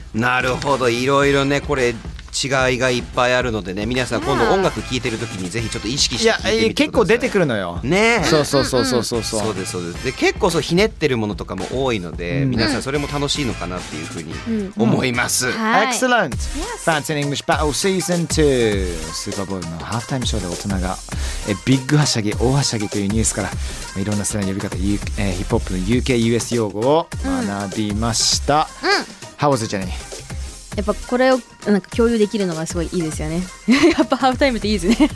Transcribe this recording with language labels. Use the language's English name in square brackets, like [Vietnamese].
[Japanese] なるほど、いろいろねこれ違いがいっぱいあるのでね、皆さん今度音楽聴いてるときにぜひちょっと意識して聴いてみてください。いや、結構出てくるのよ。ね、そうそうそうそうそうそう。そうですそうです。で結構そうひねってるものとかも多いので、うん、皆さんそれも楽しいのかなっていうふうに思います。 [English] Excellent. Fancy English Battle Season 2. [Japanese] Super Bowl のハーフタイムショーで大人がビッグはしゃぎ、大はしゃぎというニュースから、いろんな世代の呼び方、ヒップホップの UK US 用語を学びました。うん、 [English] How was it, Jenny? [Japanese] やっぱこれをなんか共有できるのがすごいいいですよね。やっぱハーフタイムっていいですね。